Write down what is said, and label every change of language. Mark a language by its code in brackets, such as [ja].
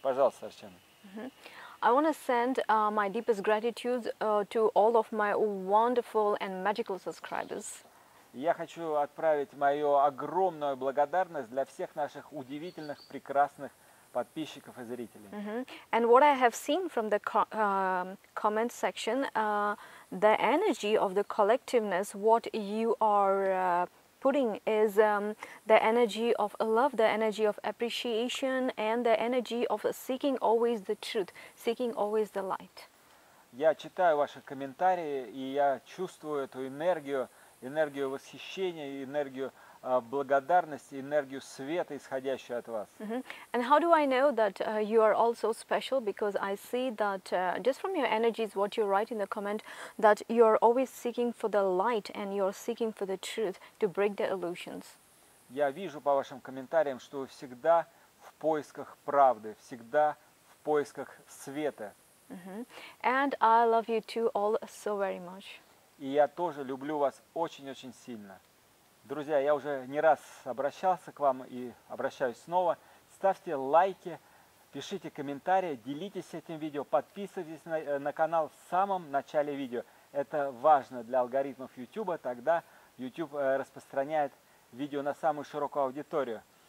[ru] Пожалуйста, Арчена. [en] I want to send my deepest gratitude to all of my wonderful and magical subscribers. [ru] Я хочу отправить мою огромную благодарность для всех наших удивительных, прекрасных подписчиков и зрителей. [en] And what I have seen from the comment section, the energy of the collectiveness, what you are putting is the energy of love, the energy of appreciation, and the energy of seeking always the truth, seeking always the light. [ru] Я читаю ваши комментарии, и я чувствую эту энергию, энергию восхищения, энергию благодарности, энергию света, исходящую от вас. [en] And how do I know that you are also special? Because I see that just from your energies, what you write in the comment, that you are always seeking for the light and you are seeking for the truth to break the illusions. [ru] Я вижу по вашим комментариям, что вы всегда в поисках правды, всегда в поисках света. [en] And I love you too all so very much. [ru] И я тоже люблю вас очень-очень сильно. Друзья, я уже не раз обращался к вам и обращаюсь снова. Ставьте лайки, пишите комментарии, делитесь этим видео, подписывайтесь на канал в самом начале видео. Это важно для алгоритмов YouTube, тогда YouTube распространяет видео на самую широкую аудиторию.